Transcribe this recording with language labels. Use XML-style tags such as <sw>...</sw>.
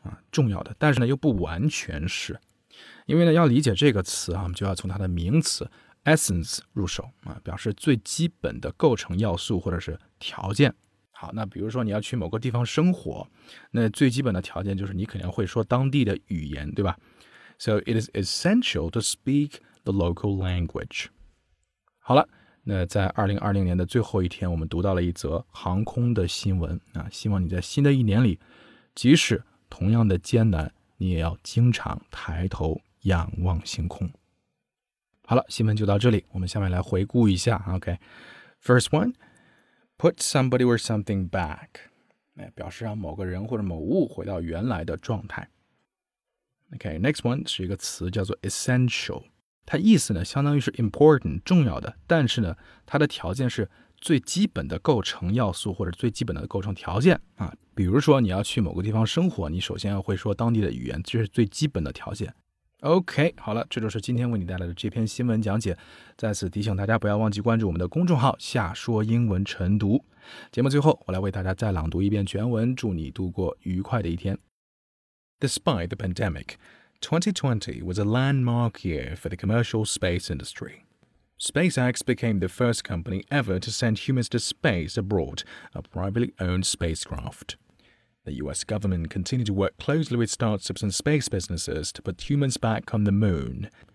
<zh>重要的，但是呢又不完全是，因为呢要理解这个词啊，我们就要从它的名词 essence 入手啊，表示最基本的构成要素或者是条件。好，那比如说你要去某个地方生活，那最基本的条件就是你肯定会说当地的语言，对吧？</zh> <en>So it is essential to speak the local language.</en> <zh>好了，那在2020年的最后一天，我们读到了一则航空的新闻啊，希望你在新的一年里，即使同样的艰难，你也要经常抬头仰望星空。好了，新闻就到这里，我们下面来回顾一下。</zh> <en>OK， first one， put somebody or something back，</en> <zh>表示让某个人或者某物回到原来的状态。</zh> <en>OK， next one</en> <zh>是一个词叫做 essential， 它意思呢相当于是 important 重要的，但是呢它的条件是最基本的构成要素或者最基本的构成条件啊，比如说你要去某个地方生活，你首先要会说当地的语言，这是最基本的条件。 OK， 好了，这就是今天为你带来的这篇新闻讲解。再次提醒大家不要忘记关注我们的公众号下说英文晨读。节目最后我来为大家再朗读一遍全文，祝你度过愉快的一天。</zh> <en>Despite the pandemic, 2020 was a landmark year for the commercial space industry. SpaceX became the first company ever to send humans to space aboard a privately owned spacecraft. The US government continued to work closely with startups and space businesses to put humans back on the moon.</en>